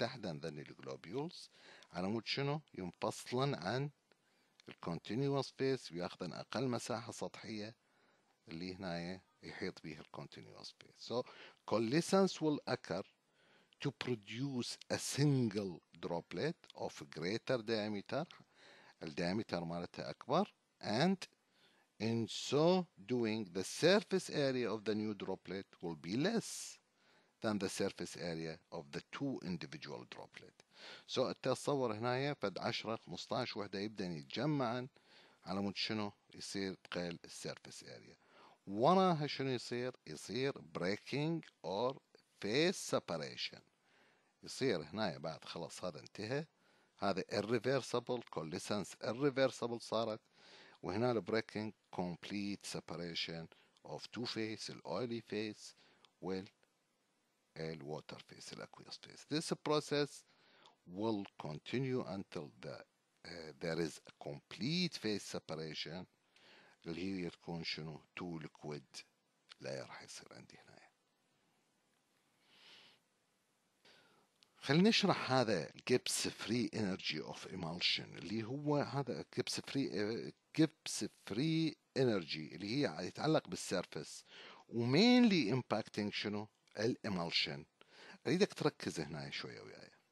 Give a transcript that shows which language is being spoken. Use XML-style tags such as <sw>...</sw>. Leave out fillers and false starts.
<ar>ذني الجلوبيولز على مود شنو ينفصلا عن الكونتينيوس فيس ويأخذن أقل مساحة سطحية اللي هنايا يحيط به continuous phase.</ar> <en>So coalescence will occur to produce a single droplet of greater diameter. The diameter</en> <ar>مالتها أكبر.</ar> <en>And in so doing, the surface area of the new droplet will be less than the surface area of the two individual droplets.</en> <ar>So التصور هنا فد 10 15 وحدة يبدأ يتجمع على مود شنو يصير قل surface area. وراها شنو يصير؟ يصير</ar> <en>breaking or phase separation.</en> <ar>يصير هنا بعد خلاص هذا انتهى. هذا irreversible coalescence irreversible صارت. وهنا</ar> <en>breaking complete separation of two phase, the oily phase well, the water phase, the aqueous phase. This process will continue until there is a complete phase separation.</en> <ar>اللي هي تكون شنو تو ليكويد لا راح يصير عندي هنا خلينا نشرح هذا</ar> <en>Gibbs free energy of emulsion</en> <ar>اللي هو هذا جيبس فري انرجي اللي هي يتعلق بالسيرفس ومينلي امباكتنج شنو الايمالشن اريدك تركز هنا شويه وياي</ar>